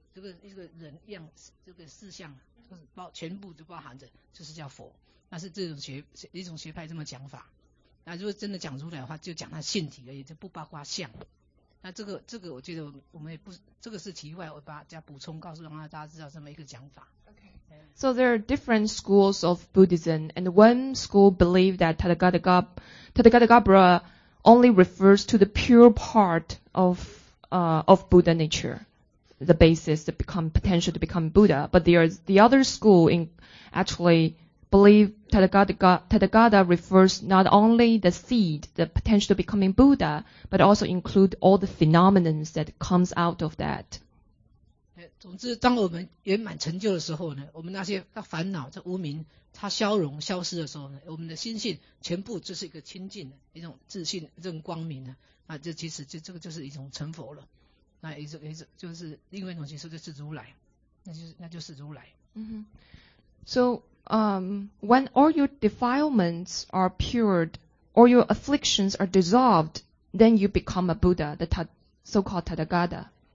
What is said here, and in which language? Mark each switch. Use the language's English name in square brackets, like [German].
[Chinese] 这个人样，这个四相，全部都包含着，就是叫佛。那是这种一种学派这么讲法。那如果真的讲出来的话，就讲他性体而已，就不包括相。那这个我觉得我们也不，这个是题外，我把大家补充告诉让大家知道这么一个讲法。 [English] Okay. So there are different schools of Buddhism, and one school believe that Tathagata Gabbara only refers to the pure part of Buddha nature. The basis to become potential to become Buddha, but there is the other school in actually believe Tathagata refers not only the seed, the potential to becoming Buddha, but also include all the phenomena that comes out of that. [Chinese] 总之，当我们圆满成就的时候呢，我们那些烦恼、这无明，它消融消失的时候呢，我们的心性全部就是一个清净的一种自信、一种光明的啊，这其实就这个就是一种成佛了。那也是就是另外一种解释，就是如来，那就是如来。 Mm-hmm. [English] So, when all your defilements are purified, all your afflictions are dissolved, then you become a Buddha, the so-called Tathagata.